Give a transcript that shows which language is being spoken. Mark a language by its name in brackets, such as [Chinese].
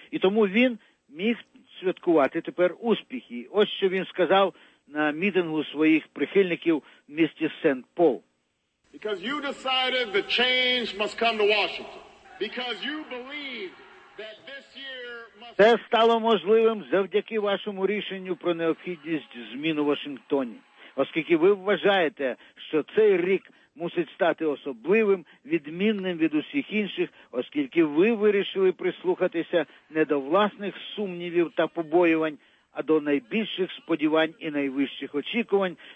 [Ukrainian] І тому він міг святкувати тепер успіхи. Ось що він сказав на мітингу своїх прихильників в місті Сент-Пол. [English] Because you decided the change must come to Washington. Because you believe that this year must... [Ukrainian] Це стало можливим завдяки вашому рішенню про необхідність змін у Вашингтоні. Оскільки ви вважаєте, що цей рік мусить стати особливим, відмінним від усіх інших, оскільки ви вирішили прислухатися не до власних сумнівів та побоювань, а до найбільших сподівань і найвищих очікувань.